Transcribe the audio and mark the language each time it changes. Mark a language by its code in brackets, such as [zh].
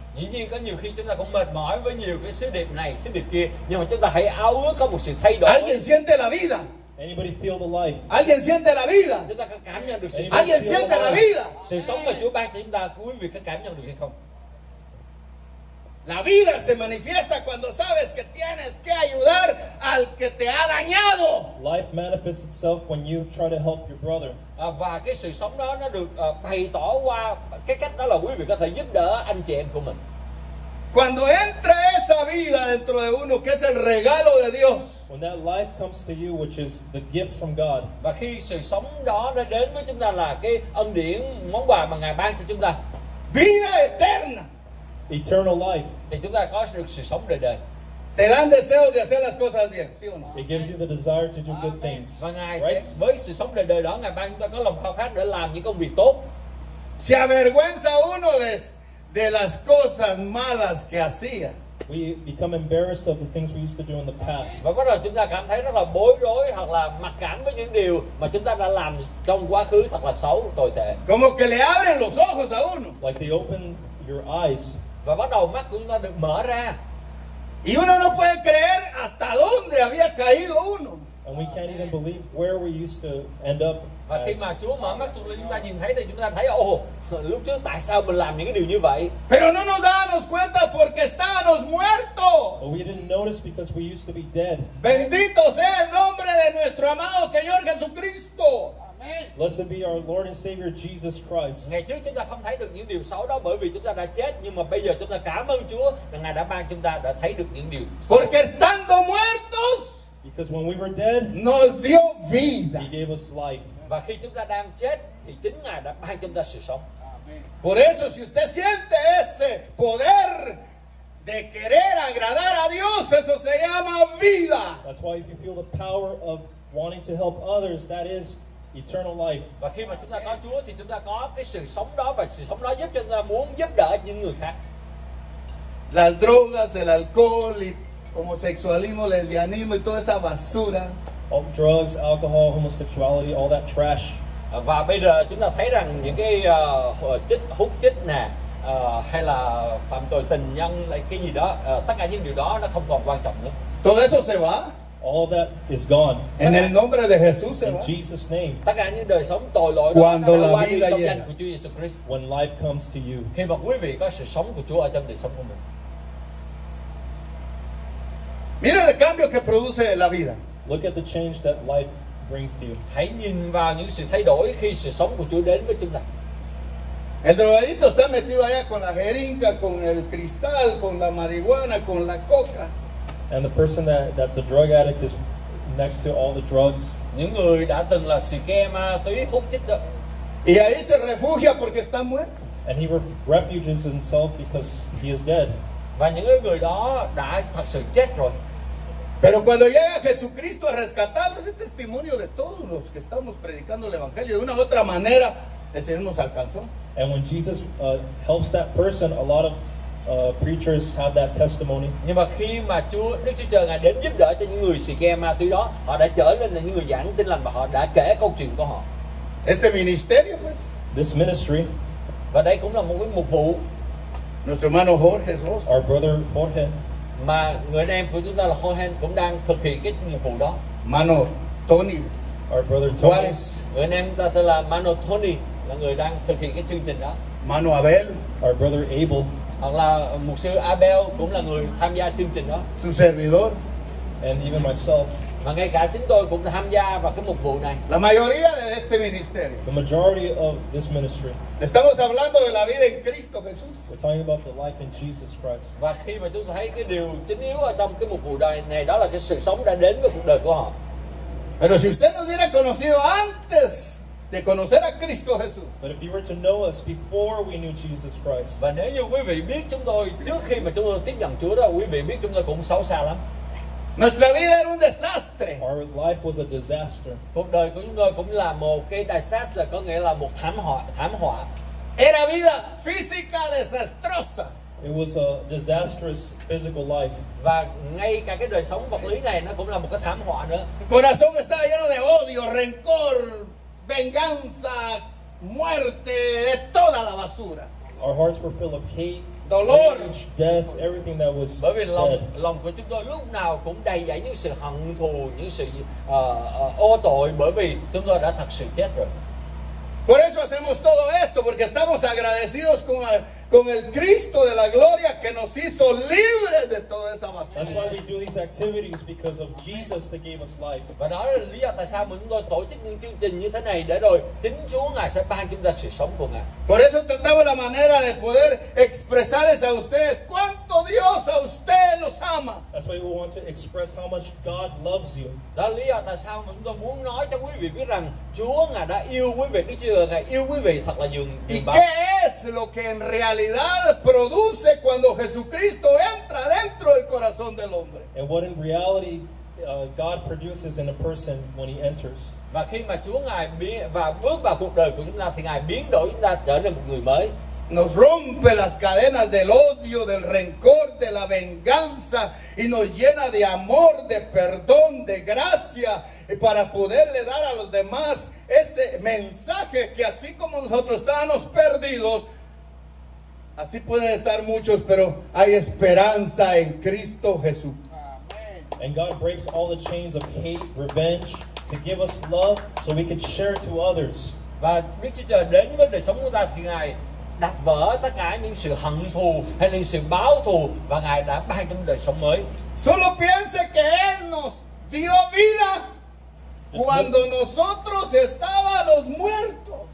[vi] Dĩ nhiên có nhiều khi chúng ta cũng mệt mỏi với nhiều cái sứ điệp này, sứ điệp kia, nhưng mà chúng ta hãy ao ước có một sự thay đổi. [es] Alguien siente la vida. [en] Anybody feel the life? [es] Alguien siente la vida. Alguien siente la vida. [vi] Sự sống mà Chúa ban cho chúng ta, quý vị có cảm nhận được hay không? [es] La vida se manifiesta cuando sabes que tienes que ayudar al que te ha dañado. [en] Life manifests itself when you try to help your brother. [vi] Và cái sự sống đó nó được bày tỏ qua cái cách đó là quý vị có thể giúp đỡ anh chị em của mình. [es] Cuando entra esa vida dentro de uno que es el regalo de Dios. [en] When that life comes to you, which is the gift from God. [vi] Và khi sự sống đó nó đến với chúng ta là cái ân điển món quà mà ngài ban cho chúng ta. [es] Vida eterna. [en] Eternal life. [vi] Thì chúng ta có được sự sống đời đời. [es] Te dan deseo de hacer las cosas bien, sí o no? [en] It gives you the desire to do good things. [vi] Và ngài sẽ, với sự sống đời đời đó, ngài ban chúng ta có lòng khao khát để làm những công việc tốt. [es] Se avergüenza uno de las cosas malas que hacía. [en] We become embarrassed of the things we used to do in the past. [vi] Và bắt đầu chúng ta cảm thấy rất là bối rối hoặc là mặc cảm với những điều mà chúng ta đã làm trong quá khứ thật là xấu, tồi tệ. [es] Como que le abren los ojos a uno. [en] Like they open your eyes. [vi] Và bắt đầu mắt của chúng ta được mở ra. [es] Y uno no puede creer hasta dónde había caído uno. [en] And we can't even believe where we used to end up. [vi] Và khi mà Chúa mở mắt chúng ta nhìn thấy thì chúng ta thấy ồ, lúc trước tại sao mình làm những cái điều như vậy? [es] Pero no nos damos cuenta porque estábamos muertos. [en] But we didn't notice because we used to be dead. [es] Bendito sea el nombre de nuestro amado Señor Jesucristo. Amen. [en] Blessed be our Lord and Savior Jesus Christ. [vi] Ngày trước chúng ta không thấy được những điều xấu đó bởi vì chúng ta đã chết, nhưng mà bây giờ chúng ta cảm ơn Chúa rằng ngài đã ban chúng ta đã thấy được những điều xấu. [es] Porque estando muertos. [en] Because when we were dead. [es] Nos dio vida. [en] He gave us life. [vi] Và khi chúng ta đang chết thì chính ngài đã ban chúng ta sự sống. [es] Por eso si usted siente ese poder de querer agradar a Dios, eso se llama vida. [en] That's why if you feel the power of wanting to help others, that is eternal life. [vi] Và khi mà chúng ta có Chúa thì chúng ta có cái sự sống đó, và sự sống đó giúp cho chúng ta muốn giúp đỡ những người khác. [es] Las drogas, el alcohol, el homosexualismo, el lesbianismo y toda esa basura. [en] All drugs, alcohol, homosexuality, all that trash. [vi] Và bây giờ chúng ta thấy rằng những cái chích hút chích nè, hay là phạm tội tình nhân, lại cái gì đó, tất cả những điều đó nó không còn quan trọng nữa. [es] Todo eso se va. [en] All that is gone. [es] En el nombre de Jesús se va. [en] In Jesus' name. [vi] Tất cả những đời sống tội lỗi đó nó qua đi trong danh của Chúa Jesus Christ. [en] When life comes to you. [vi] Khi mà quý vị có sự sống của Chúa ở trong đời sống của mình. [es] Mira el cambio que produce la vida. [en] Look at the change that life brings to you. [vi] Hãy nhìn vào những sự thay đổi khi sự sống của Chúa đến với chúng ta. [es] El drogadito está metido allá con la jeringa, con el cristal, con la marihuana, con la coca. [en] And the person that's a drug addict is next to all the drugs. [vi] Những người đã từng là xì ke ma túy hút chích đó. [es] Y ahí se refugia porque está muerto. [en] And he refugies himself because he is dead. [vi] Và những người đó đã thật sự chết rồi. [es] Pero cuando llega Jesucristo a rescatarlo, ese testimonio de todos los que estamos predicando el evangelio de una u otra manera, el Señor nos alcanzó. [en] And when Jesus helps that person, a lot of preachers have that testimony. [vi] Nhưng mà khi mà Chúa, Đức Chúa Trời ngài đến giúp đỡ cho những người xì ke ma túy đó, họ đã trở nên là những người giảng tin lành và họ đã kể câu chuyện của họ. [es] Este ministerio pues. [en] This ministry. [vi] Và đây cũng là một cái mục vụ. [es] Nuestro hermano Jorge Ross. [en] Our brother Jorge. [vi] Mà người anh em của chúng ta là Jorge cũng đang thực hiện cái nhiệm vụ đó. [es] Mano Tony. [en] our brother Tony. [vi] Người em ta tên là Mano Tony là người đang thực hiện cái chương trình đó. [es] Mano Abel. [en] Our brother Abel. [vi] Hoặc là mục sư Abel cũng là người tham gia chương trình đó. [es] Su servidor. [en] And even myself. [vi] Và ngay cả chính tôi cũng tham gia vào cái mục vụ này. [es] La mayoría de este ministerio. [en] The majority of this ministry. [es] Estamos hablando de la vida en Cristo Jesús. [en] We're talking about the life in Jesus Christ. [vi] Và khi mà chúng ta thấy cái điều chính yếu ở trong cái mục vụ này đó là cái sự sống đã đến với cuộc đời của họ. [es] Pero si usted nos hubiera conocido antes de conocer a Cristo Jesús. [en] But if you were to know us before we knew Jesus Christ. [vi] Và nếu như quý vị biết chúng tôi trước khi mà chúng tôi tiếp nhận Chúa đó, quý vị biết chúng tôi cũng xấu xa lắm. [es] Nuestra vida era un desastre. [en] Our life was a disaster. [vi] Cuộc đời của chúng tôi cũng là một cái disaster, có nghĩa là một thảm họa. [es] Era vida física desastrosa. [en] It was a disastrous physical life. [vi] Và ngay cả cái đời sống vật lý này nó cũng là một cái thảm họa nữa. [es] Corazón estaba lleno de odio, rencor, venganza, muerte, de toda la basura. [en] Our hearts were full of hate, [es] dolor, [en] death, everything that was [vi] bởi vì lòng của chúng tôi lúc nào cũng đầy dẫy những sự hận thù, những sự ô tội, bởi vì chúng tôi đã thật sự chết rồi. [es] Por eso hacemos todo esto, porque estamos agradecidos con el Cristo de la gloria que nos hizo libres de toda esa basura. [en] That's why we do these activities, because of Jesus that gave us life. [vi] Và đó là lý do tại sao chúng tôi tổ chức những chương trình như thế này, để rồi chính Chúa Ngài sẽ ban chúng ta sự sống của Ngài. [es] Por eso tratamos la manera de poder expresarles a ustedes cuánto Dios a ustedes los ama. [en] That's why we want to express how much God loves you. [vi] Đó là lý do tại sao chúng tôi muốn nói cho quý vị biết rằng Chúa Ngài đã yêu quý vị, Đức Chúa Ngài yêu quý vị thật là dường bao. [es] Y qué es lo que en realidad produce cuando Jesucristo entra dentro del corazón del hombre. [en] And what in reality God produces in a person when he enters. [vi] Và khi mà Chúa Ngài bước vào cuộc đời của chúng ta thì Ngài biến đổi chúng ta trở nên một người mới. [es] Nos rompe las cadenas del odio, del rencor, de la venganza y nos llena de amor, de perdón, de gracia para poderle dar a los demás ese mensaje que así como nosotros estábamos perdidos, así pueden estar muchos, pero hay esperanza en Cristo Jesús. [en] And God breaks all the chains of hate, revenge, to give us love so we can share it to others. [vi] Và Đức Chúa Trời đến với đời sống của ta thì Ngài đập vỡ tất cả những sự hận thù hay là sự báo thù, và Ngài đã ban cho đời sống mới. [es] Solo piense que Él nos dio vida cuando nosotros estábamos muertos.